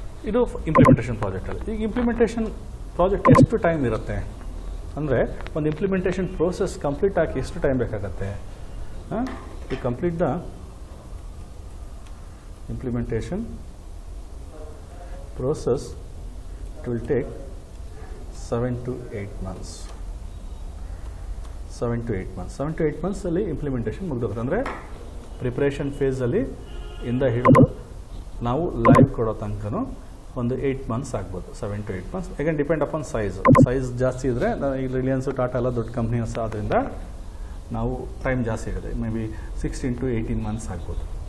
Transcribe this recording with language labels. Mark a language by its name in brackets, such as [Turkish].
[Kannada] ಇದು implementation project ಅಲ್ಲಿ. ಈಗ ಇಂಪ್ಲಿಮೆಂಟೇಷನ್ ಪ್ರಾಜೆಕ್ಟ್ ಎಷ್ಟು ಟೈಮ್ ಇರುತ್ತೆ ಅಂದರೆ, ಒಂದು ಇಂಪ್ಲಿಮೆಂಟೇಷನ್ ಪ್ರೋಸೆಸ್ ಕಂಪ್ಲೀಟ್ ಆಗಿ ಎಷ್ಟು ಟೈಮ್ ಬೇಕಾಗತ್ತೆ? [English] ಈಗ complete the implementation process it will take 7 to 8 months. [Kannada] 7 to 8 months, 7 to 8 months ಅಲ್ಲಿ ಇಂಪ್ಲಿಮೆಂಟೇಷನ್ ಮುಗಿದೋಗುತ್ತೆ. ಅಂದರೆ ಪ್ರಿಪ್ರೇಷನ್ ಫೇಸಲ್ಲಿ ಇಂದ ಹಿಡಿದು ನಾವು ಲೈವ್ ಕೊಡೋ ತನಕನೂ ಒಂದು 8 months ಆಗ್ಬೋದು, 7 to 8 months. [English] Again depend upon size. [Kannada] Size ಜಾಸ್ತಿ ಇದ್ರೆ, ಈಗ ರಿಲಯನ್ಸ್, ಟಾಟಾ ಎಲ್ಲ ದೊಡ್ಡ ಕಂಪ್ನೀಸ್, ಆದ್ದರಿಂದ ನಾವು ಟೈಮ್ ಜಾಸ್ತಿ ಇರುತ್ತೆ, ಮೇ ಬಿ 16 to 18 months ಆಗ್ಬೋದು.